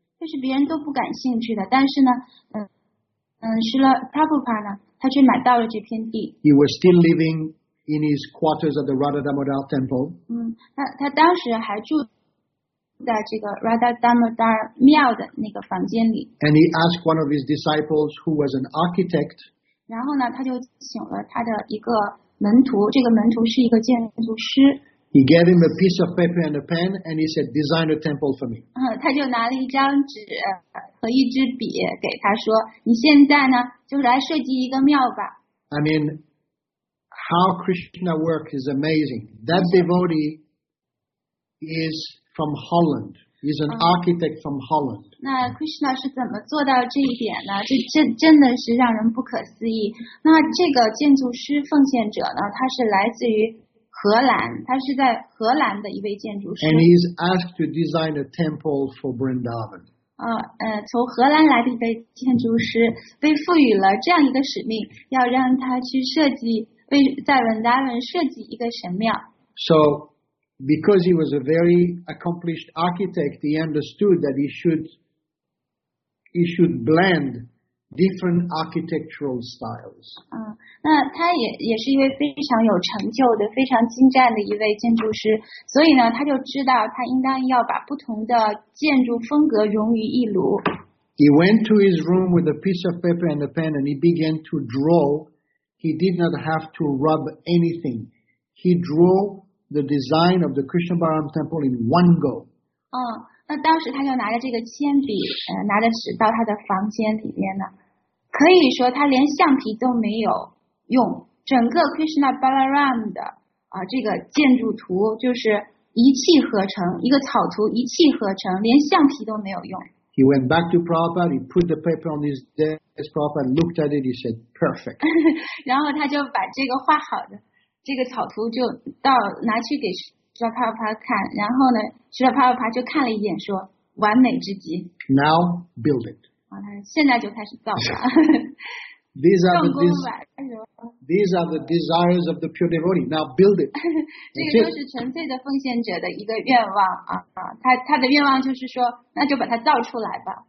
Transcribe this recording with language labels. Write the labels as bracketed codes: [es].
[zh] 就是别人都不感兴趣的，但是呢，是了 Prabhupada 呢，他却买到了这片地。 [en] He was still living in his quarters at the Radha Damodar Temple. [zh] 他当时还住在这个 Radha Damodar 庙的那个房间里。 [en] And he asked one of his disciples, who was an architect. [zh] 然后呢，他就请了他的一个门徒，这个门徒是一个建筑师。 [en] He gave him a piece of paper and a pen, and he said, "Design a temple for me." [zh] 他就拿了一张纸和一支笔给他说，你现在呢，就来设计一个庙吧。 [en] I mean, how Krishna works is amazing. That devotee is from Holland. He's an architect from Holland. [zh] 那 Krishna 是怎么做到这一点呢？这真的是让人不可思议。那这个建筑师奉献者呢？他是来自于荷兰，他是在荷兰的一位建筑师。 [en] And he's asked to design a temple for Vrindavan. [zh] 从荷兰来的一位建筑师被赋予了这样一个使命，要让他去设计为在 Vrindavan 设计一个神庙。 [en] So. Because he was a very accomplished architect, he understood that he should blend different architectural styles. [zh] 那他也是一位非常有成就的、非常精湛的一位建筑师，所以呢，他就知道他应当要把不同的建筑风格融于一炉。 [en] He went to his room with a piece of paper and a pen, and he began to draw. He did not have to rub anything. He drew. The design of the Krishna Balaram Temple in one go. [zh] 那当时他就拿着这个铅笔，拿着纸到他的房间里面呢。可以说他连橡皮都没有用，整个 Krishna Balaram 的这个建筑图就是一气呵成，一个草图一气呵成，连橡皮都没有用。 [en] He went back to Prabhupada. He put the paper on his desk. Prabhupada looked at it. He said, "Perfect." [zh] 然后他就把这个画好的。这个草图就到拿去给释迦帕帕帕看，然后呢，释迦帕帕帕就看了一眼，说：“完美之极。” [en] Now build it. [zh] 现在就开始造了。 [en] These are the desires of the pure devotee. Now build it. [zh] 这个就是纯粹的奉献者的一个愿望他的愿望就是说，那就把它造出来吧。